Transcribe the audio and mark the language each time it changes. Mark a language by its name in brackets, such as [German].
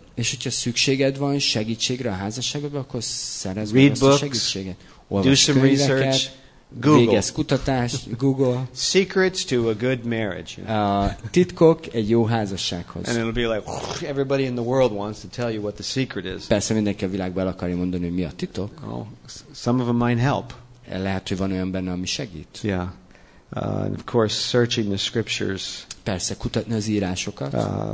[Hungarian] És hogyha szükséged van segítségre a házasságodba, akkor szerezd meg ezt a segítséget. Olvasd [English] do some [Hungarian] könyveket, [English] research, Google. [Hungarian] Végezz kutatást, Google. [English] Secrets to a good marriage. [Hungarian] Titkok egy jó házassághoz. [English] And it'll be like everybody in the world wants to tell you what the secret is. [Hungarian] Persze mindenki a világban akarja mondani, hogy mi a titok. [English] Oh, some of them might help. [Hungarian] Lehet, hogy van olyan benne, ami segít. [English] Yeah. And of course, searching the scriptures. [Hungarian] Persze, kutatni az írásokat.